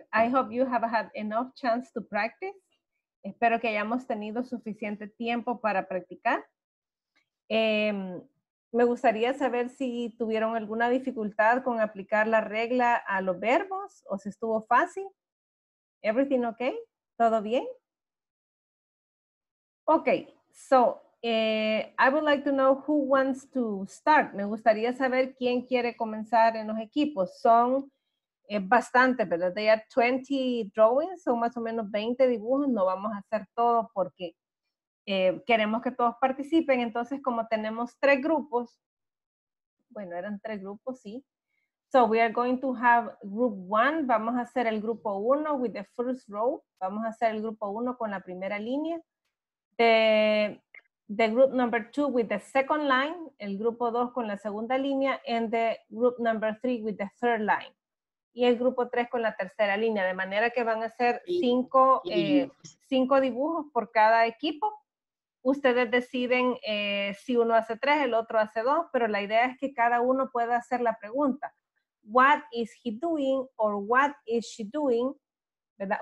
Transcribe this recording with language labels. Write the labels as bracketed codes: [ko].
[en] I hope you have had enough chance to practice. [es] Espero que hayamos tenido suficiente tiempo para practicar. Me gustaría saber si tuvieron alguna dificultad con aplicar la regla a los verbos o si estuvo fácil. [en] Everything okay? [es] ¿Todo bien? [en] Okay, so I would like to know who wants to start. [es] Me gustaría saber quién quiere comenzar en los equipos. Son bastante, ¿verdad? [en] They are 20 drawings, [es] son más o menos 20 dibujos. No vamos a hacer todo porque queremos que todos participen. Entonces, como tenemos tres grupos, bueno, eran tres grupos, sí. [en] So, we are going to have group one. [es] Vamos a hacer el grupo uno [en] with the first row. [es] Vamos a hacer el grupo uno con la primera línea. [en] The group number two with the second line. [es] El grupo dos con la segunda línea. [en] And the group number three with the third line. [es] Y el grupo 3 con la tercera línea, de manera que van a ser cinco dibujos por cada equipo. Ustedes deciden si uno hace 3, el otro hace 2, pero la idea es que cada uno pueda hacer la pregunta. [en] What is he doing? Or what is she doing? ¿Verdad?